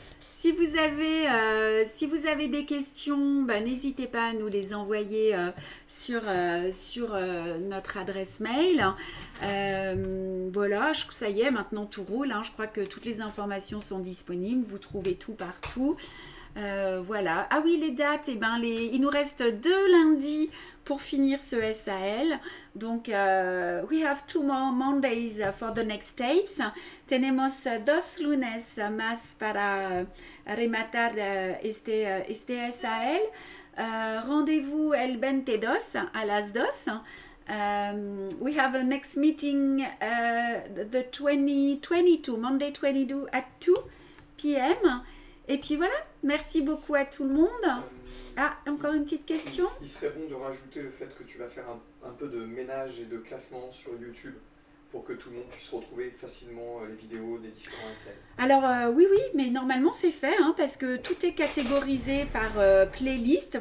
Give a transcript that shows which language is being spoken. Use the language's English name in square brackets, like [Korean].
[French] Si vous avez des questions, n'hésitez pas à nous les envoyer sur notre adresse mail. Ça y est, maintenant tout roule, hein, je crois que toutes les informations sont disponibles, vous trouvez tout partout. Voilà. Ah oui, les dates, il nous reste 2 lundis pour finir ce SAL. [English] Donc, we have 2 more Mondays for the next tapes. [Spanish] Tenemos 2 lunes más para rematar este SAL. Rendez-vous el 22 a las 2. [English] We have a next meeting the 2022, Monday 22 at 2 p.m. [French] Et puis voilà, merci beaucoup à tout le monde. Encore une petite question. Il serait bon de rajouter le fait que tu vas faire un peu de ménage et de classement sur YouTube pour que tout le monde puisse retrouver facilement les vidéos des différents SL? Alors oui, mais normalement c'est fait hein, parce que tout est catégorisé par playlist.